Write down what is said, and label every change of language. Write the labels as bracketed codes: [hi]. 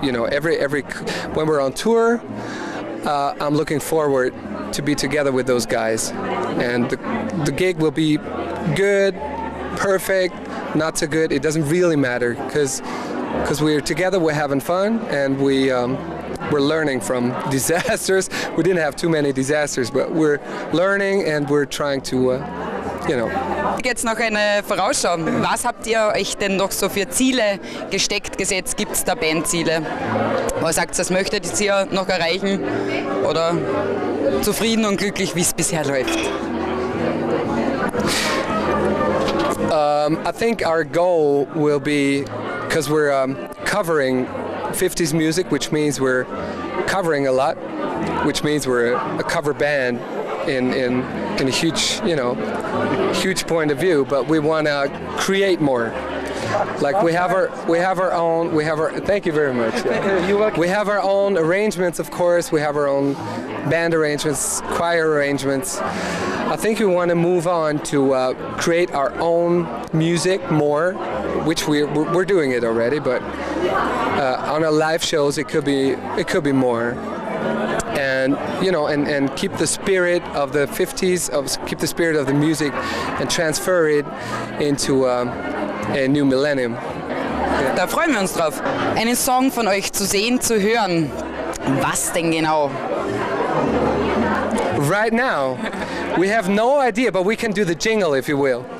[en] You know, every when we're on tour, I'm looking forward to be together with those guys, and the gig will be good, perfect, not so good. It doesn't really matter because we're together, we're having fun, and we're learning from disasters. We didn't have too many disasters, but we're learning and we're trying to, you know. [de] Jetzt noch eine Vorausschau. Was habt ihr euch denn noch so für Ziele gesteckt, gesetzt? Gibt es da Bandziele? Was sagt ihr, das möchtet ihr noch erreichen? Oder zufrieden und glücklich, wie es bisher läuft? [en] I think our goal will be, because we're covering 50s music, which means we're covering a lot, which means we're a cover band in a huge, you know, huge point of view, but we want to create more. Like we have our own, thank you very much. Yeah. We have our own arrangements, of course, we have our own band arrangements, choir arrangements. I think we want to move on to create our own music more, which we're doing it already, but on our live shows it could be more. And you know, and keep the spirit of the 50s, keep the spirit of the music, and transfer it into a new millennium. Yeah. [de] Da freuen wir uns drauf, einen Song von euch zu sehen, zu hören. Was denn genau? [en] Right now, we have no idea, but we can do the jingle if you will.